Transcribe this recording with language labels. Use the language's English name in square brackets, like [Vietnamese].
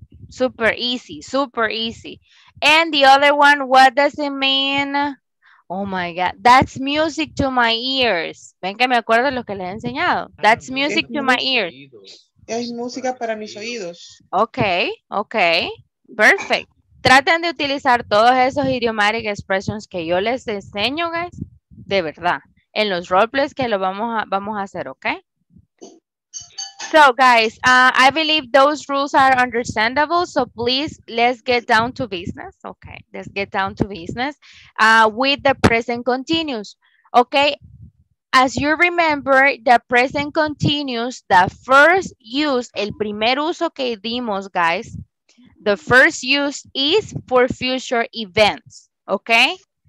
[English] Super easy. And the other one, what does it mean? Oh my God, that's music to my ears. [Spanish] Ven que me acuerdo de lo que les he enseñado. [English] That's music to my ears. [Spanish] Es música para mis oídos. [English] Ok, perfect. [Spanish] Traten de utilizar todos esos [English] idiomatic expressions [Spanish] que yo les enseño, guys, de verdad, en los roleplays que lo vamos a hacer, ok? [English] So, guys, I believe those rules are understandable. So, please, let's get down to business. Okay, let's get down to business with the present continuous. Okay, as you remember, the present continuous, the first use, [Spanish] el primer uso que dimos, [English] guys, the first use is for future events. Okay,